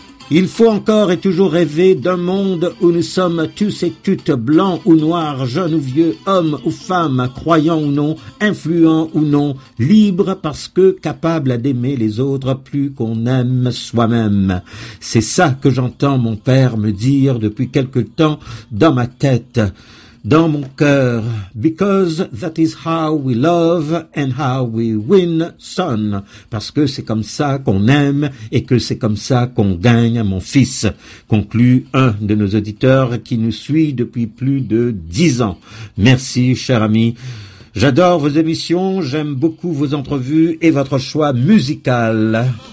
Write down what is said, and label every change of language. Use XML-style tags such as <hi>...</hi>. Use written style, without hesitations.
<fr>Il faut encore et toujours rêver d'un monde où nous sommes tous et toutes blancs ou noirs, jeunes ou vieux, hommes ou femmes, croyants ou non, influents ou non, libres parce que capables d'aimer les autres plus qu'on aime soi-même. C'est ça que j'entends mon père me dire depuis quelque temps dans ma tête, dans mon cœur.</fr> <en>Because that is how we love and how we win, son.</en> <fr>Parce que c'est comme ça qu'on aime et que c'est comme ça qu'on gagne, mon fils. Conclut un de nos auditeurs qui nous suit depuis plus de 10 ans. Merci, cher ami. J'adore vos émissions, j'aime beaucoup vos entrevues et votre choix musical.</fr>